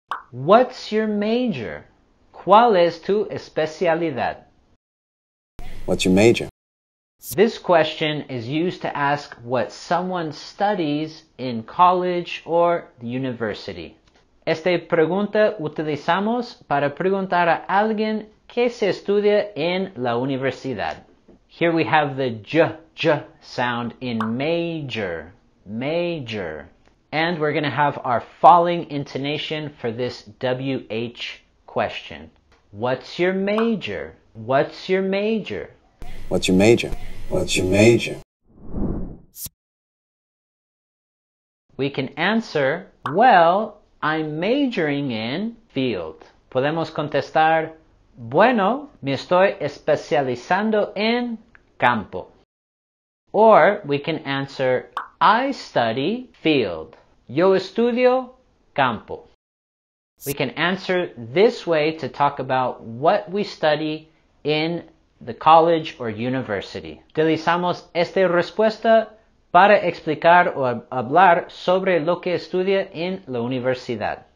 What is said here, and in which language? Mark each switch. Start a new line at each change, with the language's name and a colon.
English: What's your major?
Spanish: ¿Cuál es tu especialidad?
English: What's your major? This question is used to ask what someone studies in college or the university.
Spanish: Esta pregunta utilizamos para preguntar a alguien ¿qué se estudia en la universidad?
English: Here we have the j, j sound in major, major. And we're going to have our falling intonation for this WH question. What's your major? What's your major? What's your major? What's your major? We can answer, well, I'm majoring in field.
Spanish: Podemos contestar, bueno, me estoy especializando en campo.
English: Or we can answer, I study field.
Spanish: Yo estudio campo.
English: We can answer this way to talk about what we study in the college or university.
Spanish: Utilizamos esta respuesta para explicar o hablar sobre lo que estudia en la universidad.